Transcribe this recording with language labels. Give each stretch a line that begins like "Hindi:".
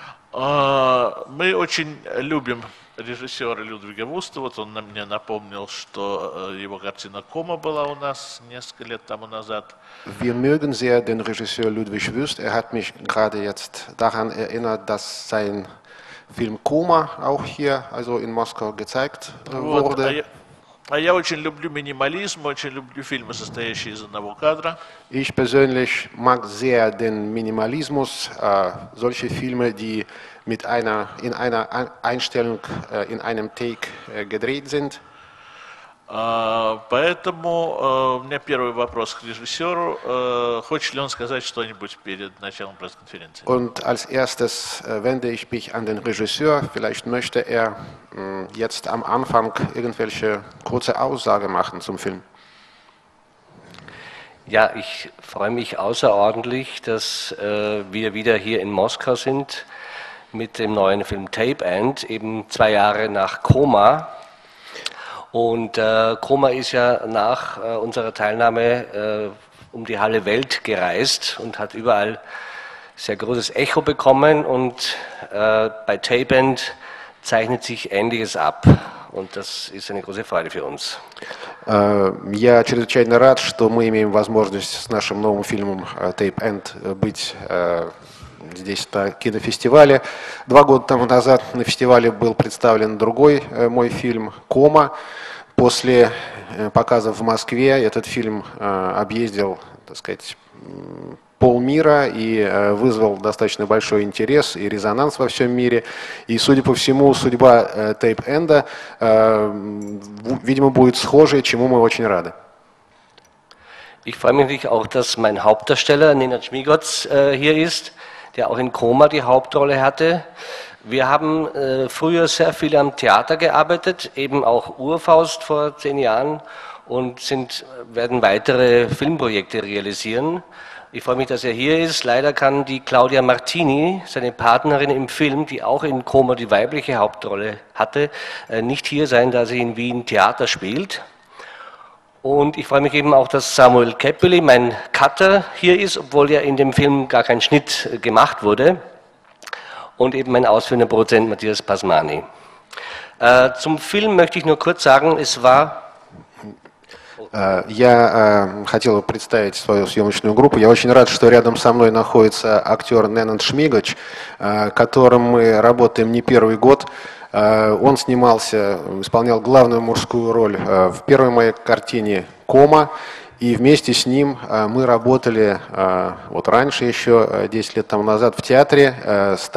Russian: Мы очень любим режиссера Людвига Вуста. Вот он мне напомнил, что его картина «Кома» была у нас несколько лет тому назад.
German: Wir mögen sehr den Regisseur Ludwig Wüst. Er hat mich gerade jetzt daran erinnert, dass sein Film «Кома» auch hier, also in Moskau, gezeigt wurde.
Russian: А я очень люблю минимализм, очень люблю фильмы, состоящие из одного кадра.
German: Ich persönlich mag sehr den Minimalismus, solche Filme, die mit einer, in einer Einstellung, in einem Take gedreht sind.
Russian: Поэтому у меня первый вопрос к режиссеру. Хочет ли он сказать что-нибудь перед началом пресс-конференции?
German: Und als erstes wende ich mich an den Regisseur. Vielleicht möchte er jetzt am Anfang irgendwelche kurze Aussage machen zum Film. Ja, ich freue mich außerordentlich, dass wir wieder hier in Moskau sind mit dem neuen Film Tape End, eben zwei Jahre nach Koma. Und Koma ist ja nach unserer Teilnahme um die halbe Welt gereist und hat überall sehr großes Echo bekommen. Und bei Tape End zeichnet sich Ähnliches ab. Und das ist eine große Freude für uns.
Russian: Я чрезвычайно рад, что мы имеем возможность с нашим новым фильмом Tape End быть здесь на кинофестивале. Два года тому назад на фестивале был представлен другой мой фильм «Кома». После показа в Москве этот фильм объездил, так сказать, полмира и вызвал достаточно большой интерес и резонанс во всем мире. И, судя по всему, судьба «Tape End», видимо, будет схожей, чему мы очень рады.
German: Ich freue mich auch, dass mein Hauptdarsteller Nenad Šmigoč hier ist, der auch in Koma die Hauptrolle hatte. Wir haben früher sehr viel am Theater gearbeitet, eben auch Urfaust vor 10 Jahren und werden weitere Filmprojekte realisieren. Ich freue mich, dass er hier ist. Leider kann die Claudia Martini, seine Partnerin im Film, die auch in Koma die weibliche Hauptrolle hatte, nicht hier sein, da sie in Wien Theater spielt. Und ich freue mich eben auch, dass Samuel Capelli, mein Cutter, hier ist, obwohl ja in dem Film gar kein Schnitt gemacht wurde. Und eben mein ausführender Produzent Matthias Pasmani. Zum Film möchte ich nur kurz sagen, es war...
Russian: Я хотел представить свою съемочную группу. Я очень рад, что рядом со мной находится актер Nenad Šmigoč, которым мы работаем не первый год. Он снимался, исполнял главную мужскую роль в первой моей картине «Кома», и вместе с ним мы работали вот раньше, еще 10 лет тому назад, в театре.